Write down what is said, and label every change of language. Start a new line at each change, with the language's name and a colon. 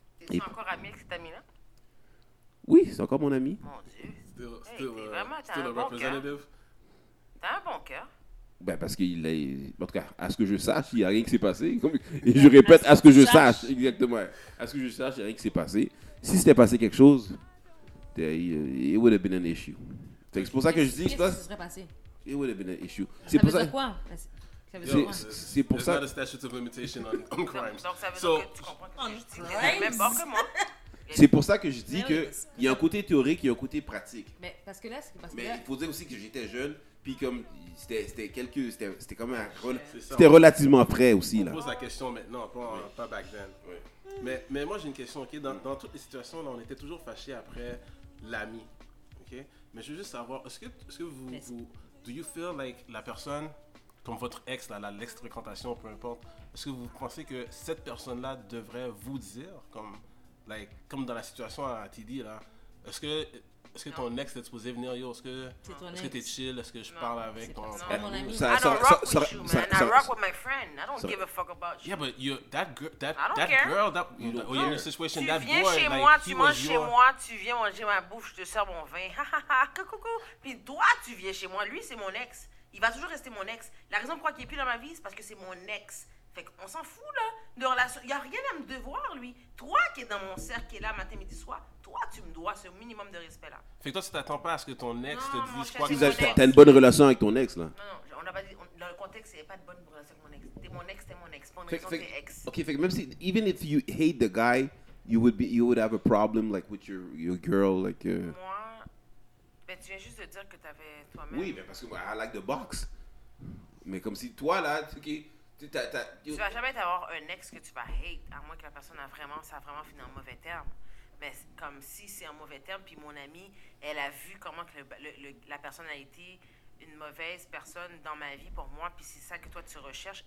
French: Ils sont encore amis avec cet ami-là? Oui, c'est encore mon ami. Mon Dieu.
English: Still a representative.
French: T'as un bon cœur. Ben, parce qu'il est... En tout cas, à ce que je sache, il n'y a rien qui s'est passé. Et je répète, à ce que je sache, exactement. À ce que je sache, il n'y a rien qui s'est passé. Si c'était passé quelque chose,
English: it would have been an issue.
French: C'est pour ça que je dis... Qu'est-ce qui se serait passé?
English: It would have been an issue.
French: C'est pour ça... Ça veut dire quoi? C'est pour ça...
English: There's not a statute of limitation on crimes.
French: Donc, ça veut dire que tu comprends que je dis même pas que moi. C'est pour ça que je dis qu'il y a un côté théorique et un côté pratique. Mais parce que là, c'est parce que mais là... Mais il faut dire aussi que j'étais jeune, puis comme c'était quelques... C'était comme un... C'était relativement frais aussi, là. On pose la question maintenant, pas
English: back then.
French: Mais moi, j'ai une question, OK? Dans toutes les situations, là, on était toujours fâchés après l'ami, OK? Mais je veux juste savoir, est-ce que vous...
English: Do you feel like
French: la personne, comme votre ex, là, l'ex-fréquentation, peu importe, est-ce que vous pensez que cette personne-là devrait vous dire, comme, like, comme dans la situation à TD, là, est-ce que non. Ton ex est supposé venir, yo, est-ce que t'es chill, est-ce que je parle avec ton... Non, mon ami.
English: I don't rock with my friend, I don't give a fuck about you. Yeah, but that girl, you're in a situation, that boy,
French: tu viens chez moi, tu manges chez moi, tu viens manger ma bouffe, je te sers mon vin, puis toi, tu viens chez moi, lui, c'est mon ex, il va toujours rester mon ex, la raison pourquoi il est plus dans ma vie, c'est parce que c'est mon ex. Fait qu'on s'en fout, là, de relation. Il n'y a rien à me devoir, lui. Toi qui es dans mon cercle, qui est là matin, midi, soir, toi, tu me dois ce minimum de respect-là. Fait que toi, tu t'attends pas à ce que ton ex non, te non, dise non, quoi que ce soit. T'as une bonne relation avec ton ex, là. Non, on n'a pas dit. Dans le contexte, il n'y a pas de bonne relation avec mon ex. T'es mon ex. Pour une raison, t'es ex. OK, fait que même si.
English: Even if you hate the guy, you would have a problem, like, with your girl, like.
French: Moi. Ben, tu viens juste de dire que t'avais toi-même. Oui, mais parce que moi,
English: I like the box.
French: Mais comme si toi, là, OK. Tu vas jamais avoir un ex que tu vas hate, à moins que la personne a vraiment fini en mauvais terme. Mais comme si c'est en mauvais terme, puis mon amie, elle a vu comment que la personne a été une mauvaise personne dans ma vie pour moi, puis c'est ça que toi tu recherches.